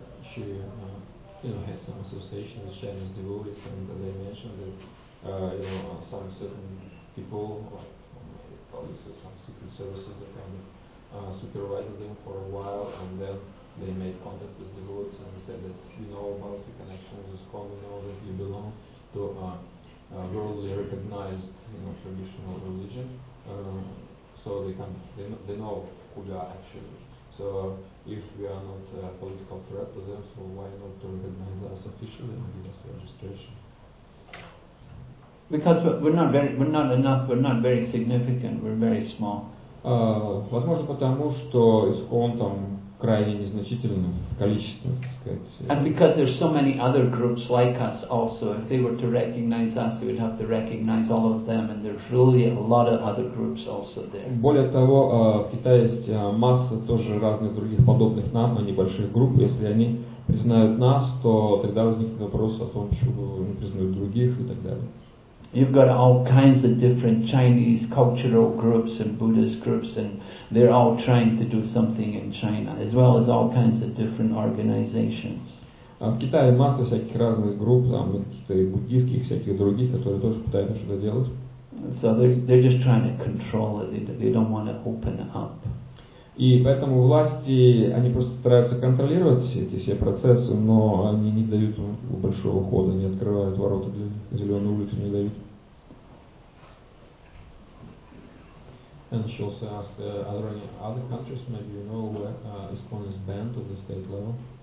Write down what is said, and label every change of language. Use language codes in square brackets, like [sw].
[en] She had some association with Chinese devotees, and they mentioned that some certain people, like police or some secret services, they kind of supervised them for a while, and then they made contact with devotees and said that you know about the connection with this call, you know that you belong to a worldly recognized, you know, traditional religion, so they know who they are actually. So if we are not a political threat to them, so why not to recognize us officially and give us registration? Because we're not very significant, we're very small. [ru] Возможно, потому что ИСККОН там крайне незначительно в количестве, так сказать. [en] And because there's so many other groups like us also, if they were to recognize us, they would have to recognize all of them, and there's really a lot of other groups also there. [ru] Более того, в Китае есть масса тоже разных других подобных нам, небольших групп. Если они признают нас, то тогда возникнет вопрос о том, почему они признают других и так далее. [en] You've got all kinds of different Chinese cultural groups and Buddhist groups, and they're all trying to do something in China, as well as all kinds of different organizations. [ru] В Китае масса всяких разных групп, там какие-то и буддийских, всяких других, которые тоже пытаются что-то делать. [en] So they're just trying to control it. They don't want to open it up. [ru] И поэтому власти, они просто стараются контролировать эти все процессы, но они не дают большого хода, не открывают ворота для зеленой улицы, не дают. [en] And she also asked, are there any other countries, maybe you know, where ISKCON is banned at the state level?